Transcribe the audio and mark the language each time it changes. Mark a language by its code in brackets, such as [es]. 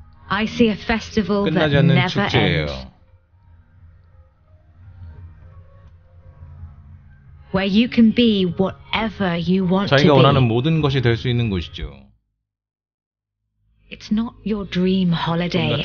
[en] I see a festival that never ends. [ko] 끝나지 않는 축제예요. [en] Where you can be whatever you want to be. [ko] 자기가 원하는 모든 것이 될 수 있는 곳이죠. [en] It's not your dream holiday anymore.